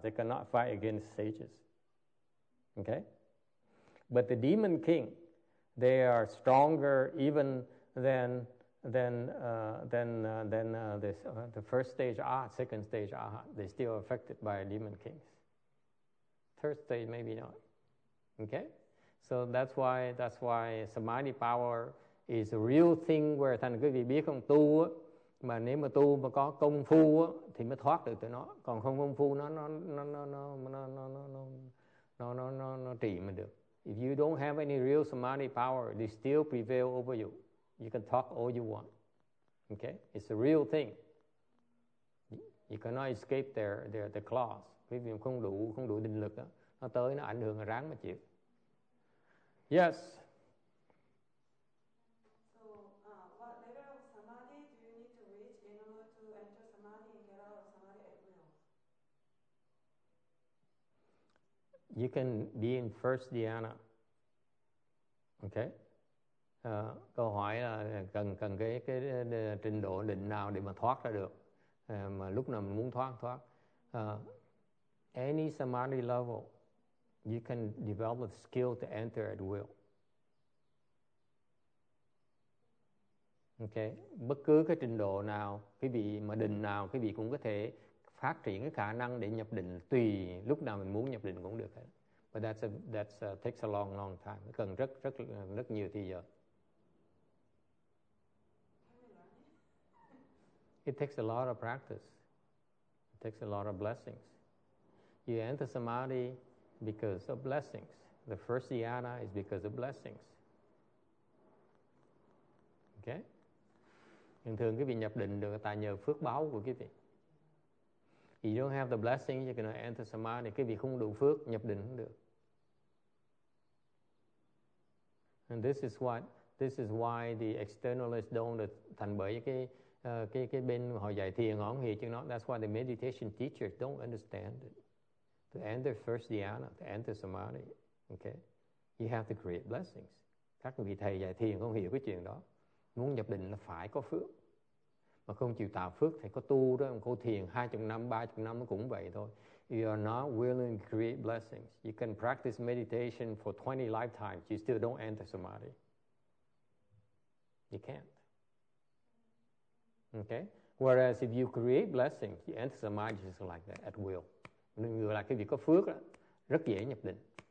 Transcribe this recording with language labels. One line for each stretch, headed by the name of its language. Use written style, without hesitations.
English: They cannot fight against sages. Okay, but the demon king, they are stronger even than the first stage Arhat, second stage Arhat. They're still affected by demon kings. Third stage maybe not. Okay, so that's why samadhi power is a real thing.
Vietnamese: Where thành quý vị biết không, tu á, mà nếu mà tu mà có công phu á, thì mới thoát được tụi nó. Còn không công phu nó trị mình được.
English: If you don't have any real samadhi power, they still prevail over you. You can talk all you want. Okay, it's a real thing. You cannot escape their claws.
Vietnamese: Quý vị không đủ định lực á, nó tới nó ảnh hưởng ráng mà chịu. Yes.
English: You can be in first dhyana. Okay?
Vietnamese: Câu hỏi là cần cái trình độ định nào để mà thoát ra được. Mà lúc nào mình muốn thoát.
English: Any samadhi level, you can develop the skill to enter at will. Okay?
Vietnamese: Bất cứ cái trình độ nào, cái vị mà định nào, cái vị cũng có thể phát triển cái khả năng để nhập định tùy lúc nào mình muốn nhập định cũng được.
English: But that's takes a long time.
Vietnamese: Cần rất rất rất nhiều thời giờ.
English: It takes a lot of practice. It takes a lot of blessings. You enter samadhi because of blessings. The first dhyana is because of blessings. Okay?
Vietnamese: Thường thường quý vị nhập định được tại nhờ phước báo của quý vị.
English: You don't have the blessing, you cannot enter samadhi.
Vietnamese: Quý vị không đủ phước, nhập định không được.
English: And this is why the externalists don't
Vietnamese: thành bởi cái bên họ dạy thiền, họ không hiểu chứ nó.
English: That's why the meditation teachers don't understand it. To enter first dhyana, to enter samadhi, okay? You have to create blessings.
Vietnamese: Các vị thầy dạy thiền không hiểu cái chuyện đó. Muốn nhập định là phải có phước. Mà không chịu tạo phước thì có tu đó, có thiền 20 năm, 30 năm nó cũng vậy thôi.
English: You are not willing to create blessings. You can practice meditation for 20 lifetimes. You still don't enter samadhi. You can't. Okay? Whereas if you create blessings, you enter samadhi just like that at will.
Vietnamese: Người lại cái việc có phước đó, rất dễ nhập định.